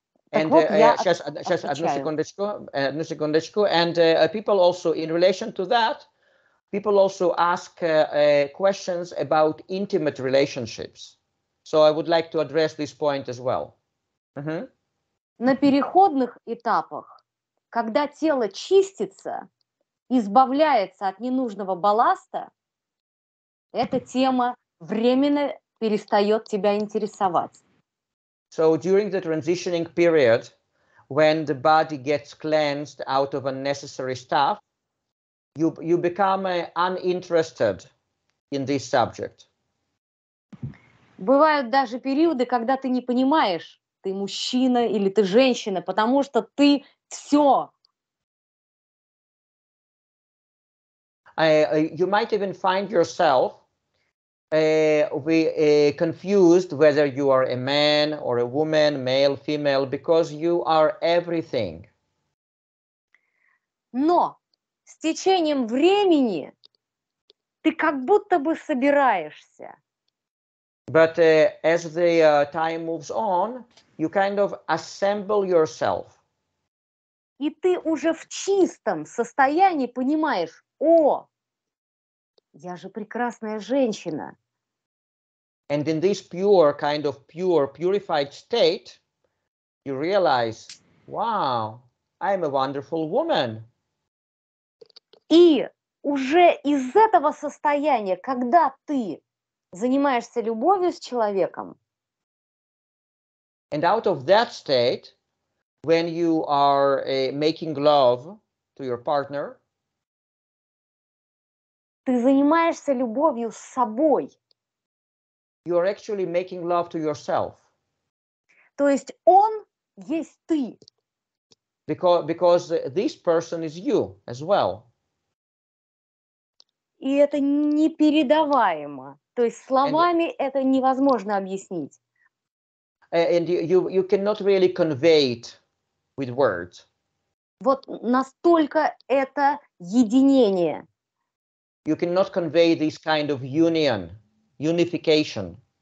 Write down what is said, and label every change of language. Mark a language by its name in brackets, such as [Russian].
[Russian] And сейчас одну секундочку. [English] And people also, in relation to that, people also ask questions about intimate relationships. So I would like to address this point as well. [Russian] На переходных этапах, когда тело чистится, избавляется от ненужного балласта, эта тема временно перестает тебя интересовать. [English] So during the transitioning period, when the body gets cleansed out of unnecessary stuff, you become uninterested in this subject. [Russian] Бывают даже периоды, когда ты не понимаешь, ты мужчина или ты женщина, потому что ты все. [English] You might even find yourself confused whether you are a man or a woman, male, female, because you are everything. [Russian] Но с течением времени ты как будто бы собираешься. [English] But as the time moves on, you kind of assemble yourself. [Russian] И ты уже в чистом состоянии понимаешь, о, я же прекрасная женщина. [English] And in this pure, kind of pure, purified state, you realize, wow, I'm a wonderful woman. [Russian] И уже из этого состояния, когда ты занимаешься любовью с человеком, [English] and out of that state, when you are making love to your partner, [Russian] ты занимаешься любовью с собой. [English] You are actually making love to yourself. [Russian] То есть он есть ты. [English] Because this person is you as well. [Russian] И это непередаваемо. То есть словами это невозможно объяснить. [English] And you cannot really convey it with words. [Russian] Вот настолько это единение. [English] You cannot convey this kind of union, unification.